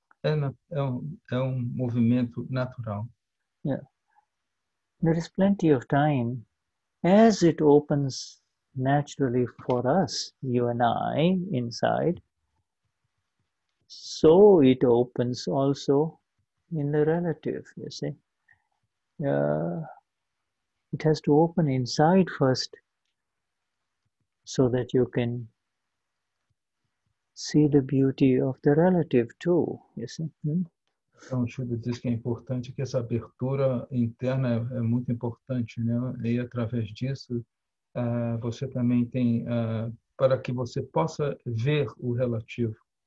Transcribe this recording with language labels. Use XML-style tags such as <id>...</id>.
<pt>É um movimento natural.</pt> <en>Yeah. There is plenty of time as it opens naturally for us, you and I, inside, so it opens also in the relative, you see. It has to open inside first so that you can see the beauty of the relative too, you see.</en> <pt>Então, Shuddha diz que é importante que essa abertura interna é muito importante, né? E através disso, você também tem, para que você possa ver o relativo.</pt>